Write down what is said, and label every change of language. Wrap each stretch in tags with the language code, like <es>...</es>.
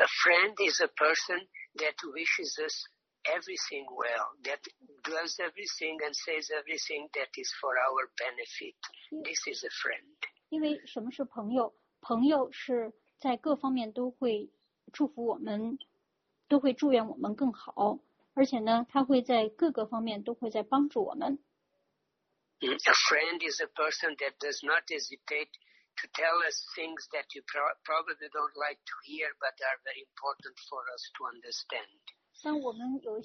<en>a friend is a person that wishes us everything well, that does everything and says everything that is for our benefit. This is a friend.</en> <zh>因为什么是朋友？朋友是 在各方面都会祝福我们，都会祝愿我们更好，而且呢，他会在各个方面都会在帮助我们。A</zh> <en>friend is a person that does not hesitate to tell us things that you probably don't like to hear, but are very important for us to understand.</en>